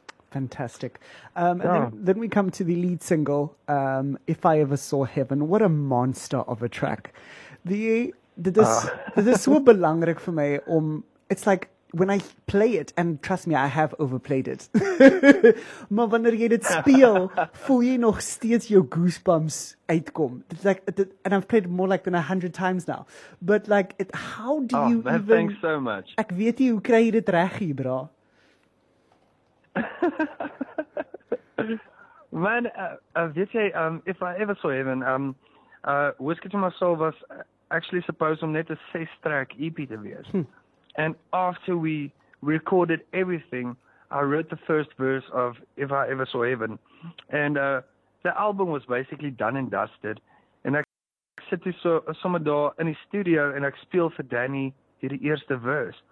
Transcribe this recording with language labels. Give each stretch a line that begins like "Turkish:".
English: Fantastic. Then we come to the lead single, If I Ever Saw Heaven. What a monster of a track.
Afrikaans: Dit is so belangrik vir my om,
English: it's like, when I play it, and trust me, I have overplayed it.
Afrikaans: Maar wanneer jy dit speel, voel jy nog steeds jou goosebumps uitkom.
English: And I've played more like than 100 times now. But like, how do you man, even... Thanks so much.
Afrikaans: Ek weet nie, hoe kry jy dit reg hier, bra?
English: Man,
Afrikaans: weet jy,
English: if I ever saw even, Whisky to My Soul was... actually supposed
Afrikaans: om net
English: a 6-track EP
Afrikaans: te wees.
English: And after we recorded everything, I wrote the first verse of If I Ever Saw Heaven. And the album was basically done and dusted.
Afrikaans: And ek sit toe so sommer daar in die studio en ek speel vir Danny hierdie eerste verse.